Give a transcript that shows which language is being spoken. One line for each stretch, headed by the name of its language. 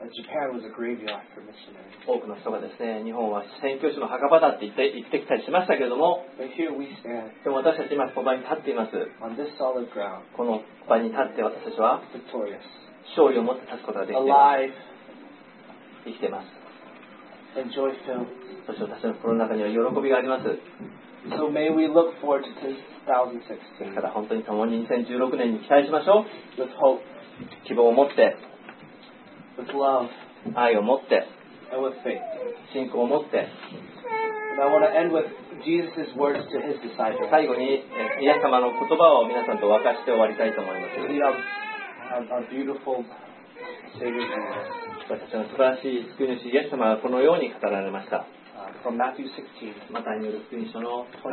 English: Japan was a graveyard for missionaries.
Japanese: 多くの人がですね、日本は宣教師の墓場だって言ってきたりしましたけれども。
English: But here we stand.
Japanese: でも私たち今この場に立っています。
English: On this solid ground.
Japanese: この場に立って私たちは
English: victorious.
Japanese: 勝利を持って立つことができています
English: 。 Alive.
Japanese: 生きています。
English: And joy-filled.
Japanese: そして私の心の中には喜びがあります。
English: So may we look forward to 2016.
Japanese: ただ本当に共に2016年に期待しましょう。
English: With hope.
Japanese: 希望を持って。
English: With love.
Japanese: 愛を持って。
English: And with faith.
Japanese: 信仰を持って。
English: And I want to end with Jesus' words to his disciples.
Japanese: 最後に、イエス様の言葉を皆さんと分かして終わりたいと思います。
English: We have our beautiful Savior.
Japanese: 私の素晴らしい救い主イエス様はこのように語られました。
English: From Matthew 16,
Japanese: マタイによる福音書の